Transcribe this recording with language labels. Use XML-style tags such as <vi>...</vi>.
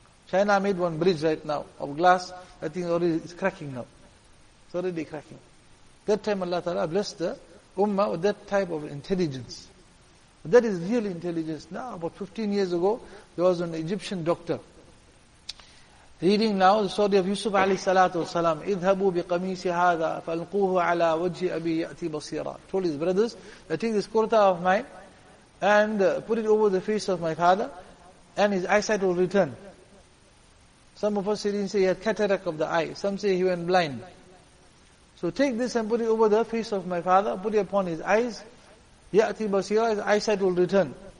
<en>China made one bridge right now of glass. I think it's cracking now. It's already cracking. That time Allah Ta'ala blessed the ummah with that type of intelligence. That is real intelligence. Now, about 15 years ago, there was an Egyptian doctor reading now the story of Yusuf alayhi salatu wasalam.</en> <ar>اذهبوا بقميص هذا فالقوه على وجه أبي يأتي بصيرا.</ar> <en>Told his brothers, I take this kurta of mine and put it over the face of my father and his eyesight will return. Some of us didn't say he had cataract of the eye. Some say he went blind. So take this and put it over the face of my father, put it upon his eyes.</en> <ar>Ya'ati basira,</ar> <en>his eyesight will return.</en>